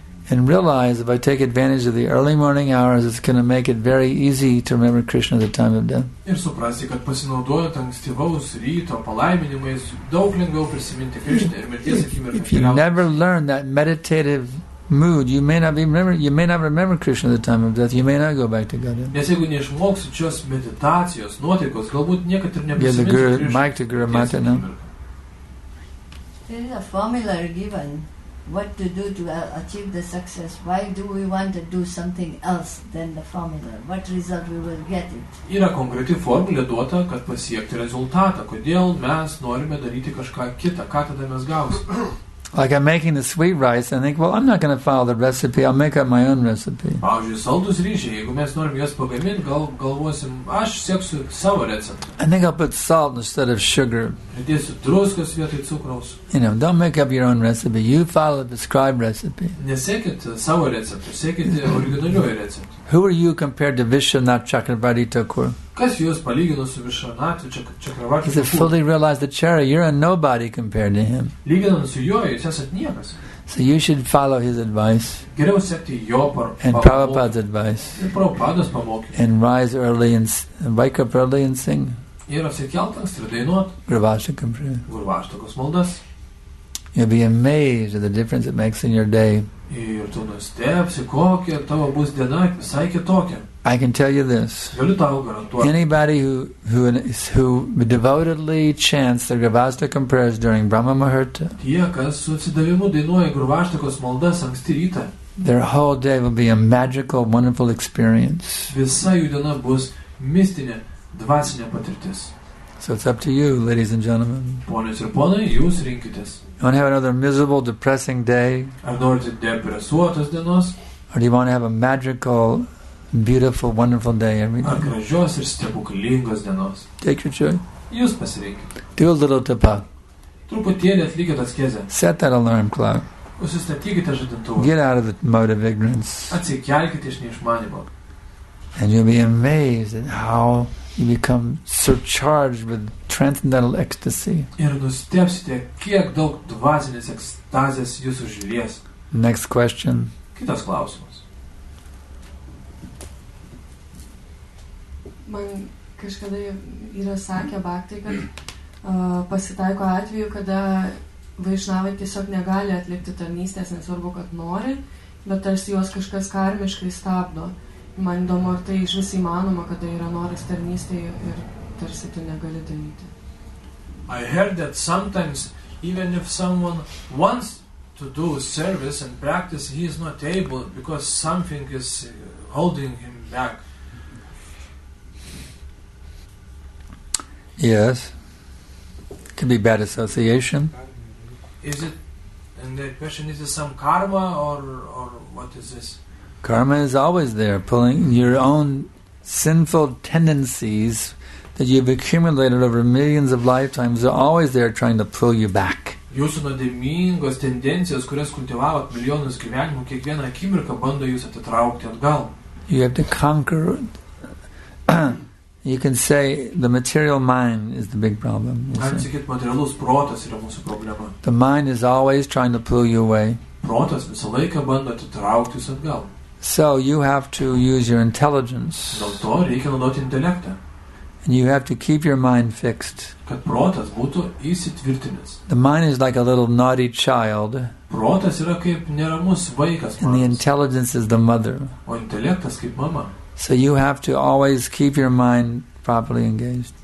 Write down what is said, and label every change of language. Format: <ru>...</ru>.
<en>And realize if I take advantage of the early morning hours, it's going to make it very easy to remember Krishna at the time of death.</en> <lt>Ir suprasti, kad pasinaudojant ankstyvaus ryto palaiminimais, daug lengviau prisiminti Krishna ir mirties akimirką.</lt> <en>If you never learn that meditative mood, you may not remember Krishna at the time of death. You may not go back to Godhead.</en> <lt>Nes jeigu neišmoksi šios meditacijos nuotaikos, galbūt niekad ir neprisiminsi.</lt> <en>The Guru, mic to Guru Mata, no? There is a formula given. What to do to achieve the success? Why do we want to do something else than the formula? What result we will get it?</en> <lt>Yra konkreti formulė duota, kad pasiekti rezultatą. Kodėl mes norime daryti kažką kitą? Ką tada mes gausim?</lt> <en>Like I'm making the sweet rice, and I think, well, I'm not going to follow the recipe. I'll make up my own recipe.</en> <lt>Pavyzdžiui, saldus ryžiai. Jeigu mes norim juos pagaminti, galvosim, aš sėksiu savo receptą.</lt> <en>I think I'll put salt instead of sugar.</en> <lt>Pridėsiu druskos vietoj cukraus.</lt> <en>You know, don't make up your own recipe. You follow the scribe recipe.</en> <lt>Nesėkit savo receptą, sėkit originaliojo receptą.</lt> <en>Who are you compared to Vishwanath Chakravarti Thakur?</en> <lt>Kas jūs palygino su Vishwanath Chakravarti</lt> <en>Thakur? He's a fully realized acharya. You're a nobody compared to him.</en> <lt>Lyginant su juo, jūs esat niekas.</lt> <en>So you should follow his advice.</en> <lt>Geriau sekti jo</lt> <en>and Prabhupada's advice.</en> <lt>Ir Prabhupada's pamokyti.</lt> <en>And rise early and wake up early and sing.</en> <lt>Ir apsikelt anksti ir dainuot.</lt> <en>Gurvashtakam prayer.</en> <lt>Gurvashtakos maldas.</lt> <en>You'll be amazed at the difference it makes in your day.</en> <lt>Ir tu nustepsi, kokia tavo bus diena visai kitokia.</lt> <en>I can tell you this. Anybody who devotedly chants the Gurvashtakam prayers during Brahma Muhurta,</en> <lt>tie, kas su atsidavimu dainuoja Gurvashtakos maldas anksti rytą,</lt> <en>their whole day will be a magical, wonderful experience.</en> <lt>Visa jų diena bus mistinė, dvasinė patirtis.</lt> <en>So it's up to you, ladies and gentlemen.</en> <lt>Ponios ir ponai, jūs rinkitės.</lt> <en>You want to have another miserable, depressing day?</en> <lt>Ar norite depresuotos dienos?</lt> <en>Or do you want to have a magical, beautiful, wonderful day every day?</en> <lt>Ar gražios ir stebuklingos dienos?</lt> <en>Take your joy.</en> <lt>Jūs pasirinkit.</lt> <en>Do a little tapa.</en> <lt>Truputėlį atlikit askezę.</lt> <en>Set that alarm clock.</en> <lt>Užsistatykite žadintuvą.</lt> <en>Get out of the mode of ignorance.</en> <lt>Atsikelkit iš neišmanimo.</lt> <en>And you'll be amazed at how you become surcharged with transcendental ecstasy.</en> <lt>Ir nustepsite, kiek daug dvasinės ekstazės jūs užlies.</lt> <en>Next question.</en> <lt>Kitas klausimas. Man kažkada yra sakę baktai, kad pasitaiko atveju, kada vaišnavai tiesiog negali atlikti tarnystės, nesvarbu, kad nori, bet tarsi juos kažkas karmiškai stabdo. Man įdomu, ar tai iš vis įmanoma, kad tai yra noras tarnystėje ir tarsi tu negali daryti.</lt> <en>I heard that sometimes, even if someone wants to do service and practice, he is not able because something is holding him back. Yes. Could be bad association. Is it, and the question is, it some karma or what is this? Karma is always there, pulling your own sinful tendencies that you've accumulated over millions of lifetimes are always there trying to pull you back.</en> <lt>Jūsų nuodėmingos tendencijos, kurias kultivavot milijonus gyvenimų, kiekvieną akimirką bando jūs atitraukti atgal.</lt> <en>You have to conquer. You can say the material mind is the big problem.</en> <lt>Atsikyt, materialus protas yra mūsų problema.</lt> <en>The mind is always trying to pull you away.</en> <lt>Protas visą laiką bando atitraukti jūs atgal.</lt> <en>So you have to use your intelligence.</en> <lt>Dėl to reikia naudoti intelektą.</lt> <en>And you have to keep your mind fixed.</en> <lt>Kad protas būtų įsitvirtinęs.</lt> <en>The mind is like a little naughty child.</en> <lt>Protas yra kaip neramus vaikas.</lt> <en>And the intelligence is the mother.</en> <lt>O intelektas kaip mama.</lt> <en>So you have to always keep your mind properly engaged.</en>